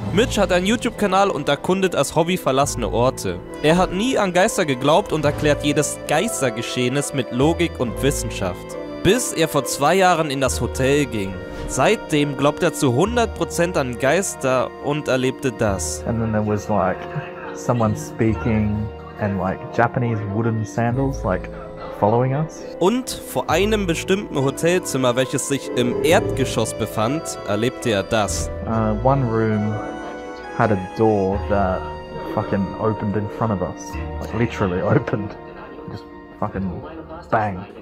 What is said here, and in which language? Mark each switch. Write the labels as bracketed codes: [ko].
[de] Mitch hat einen YouTube-Kanal und erkundet als Hobby verlassene Orte. Er hat nie an Geister geglaubt und erklärt jedes Geistergeschehenes mit Logik und Wissenschaft. Bis er vor 2 Jahren in das Hotel ging. Seitdem glaubt er zu 100% an Geister und erlebte das. [en] And then there was like someone speaking and like Japanese wooden sandals like following us. [de] Und vor einem bestimmten Hotelzimmer, welches sich im Erdgeschoss befand, erlebte er das. [en] One room had a door that fucking opened in front of us. Like literally opened. Just fucking bang.